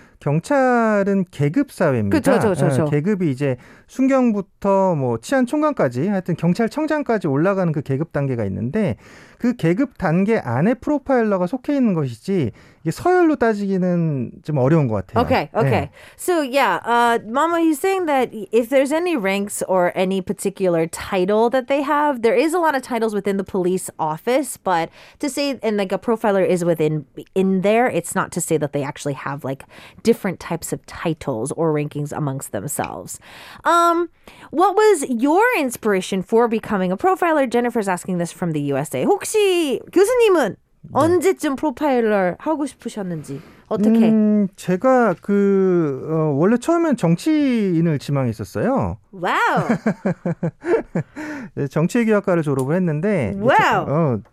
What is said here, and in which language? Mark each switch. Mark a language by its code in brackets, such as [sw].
[ko] 경찰은 계급 사회입니다. 그렇죠. 계급이 이제 순경부터 뭐 치안 총관까지 하여튼 경찰청장까지 올라가는 그 계급 단계가 있는데 그 계급 단계 안에 프로파일러가 속해 있는 것이지 이게 서열로 따지기는 좀 어려운 것 같아요. [en] Okay. [ko] 네. [en] So yeah, Mama, he's saying that if there's any ranks or any particular title that they have, there is a lot of titles within the police office, but to say and like a profiler is within in there, it's not to say that they actually have like different types of titles or rankings amongst themselves. What was your inspiration for becoming a profiler? Jennifer's asking this from the USA. [ko] 혹시 교수님은 네. 언제쯤 프로파일러 하고 싶으셨는지 어떻게? 제가 그 원래 처음엔 정치인을 지망했었어요. 와우. 정치외교학과를 졸업을 했는데 와우.